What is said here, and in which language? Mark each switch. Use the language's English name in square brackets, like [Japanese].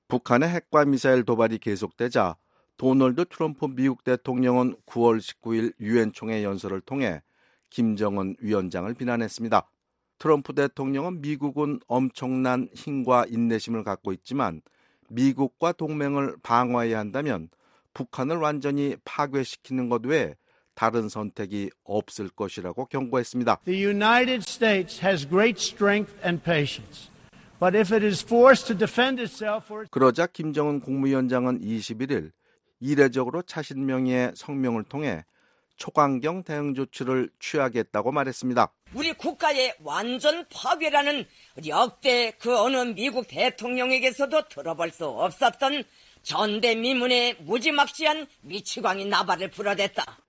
[Korean] 북한의 핵과 미사일 도발이 계속되자 도널드 트럼프 미국 대통령은 9월 19일 유엔총회 연설을 통해 김정은 위원장을 비난했습니다. 트럼프 대통령은 미국은 엄청난 힘과 인내심을 갖고 있지만 미국과 동맹을 방어해야 한다면 북한을 완전히 파괴시키는 것 외에 다른 선택이 없을 것이라고 경고했습니다. [English] The United States has great strength and patience. But if it is forced to defend itself or [Korean] 그러자 김정은 국무위원장은 21일 이례적으로 자신 명의의 성명을 통해 초강경 대응 조치를 취하겠다고 말했습니다. 우리 국가의 완전 파괴라는 역대 그 어느 미국 대통령에게서도 들어볼 수 없었던 전대미문의 무지막지한 미치광이 나발을 불어댔다.